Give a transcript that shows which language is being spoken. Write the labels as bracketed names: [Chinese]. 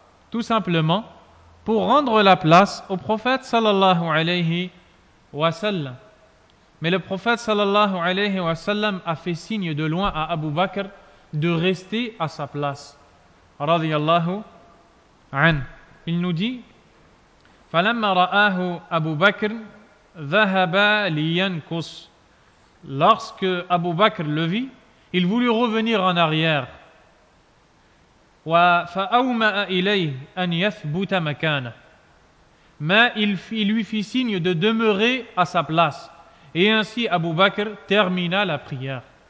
[French] Tout simplement pour rendre la place au prophète sallallahu alayhi wa sallam. Mais le prophète sallallahu alayhi wa sallam a fait signe de loin à Abu Bakr de rester à sa place radiyallahu anhu. Il nous dit: [Arabic] فَلَمَّا رَآهُ أَبُو بَكْرٍ ذَهَبَا لِيَنْكُسٍ. [French] Lorsque Abu Bakr le vit, il voulut revenir en arrière. [Arabic] وَفَأَوْمَأَ إِلَيْهِ أَنْ يَثْبُتَ مَكَانَ. [French] Mais il lui fit signe de demeurer à sa place. Et ainsi Abu Bakr termina la prière.